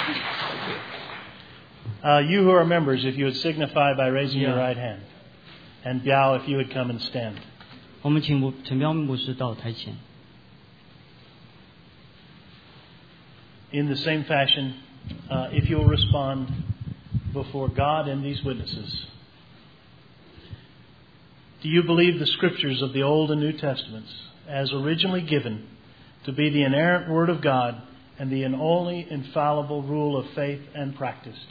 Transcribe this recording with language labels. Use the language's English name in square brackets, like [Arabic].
[English] You who are members, if you would signify by raising your right hand, and Biao, if you would come and stand. [Chinese] 我们请陈彪牧师到台前。 [English] In the same fashion, if you'll respond before God and these witnesses, do you believe the scriptures of the Old and New Testaments, as originally given, to be the inerrant word of God and the only infallible rule of faith and practice?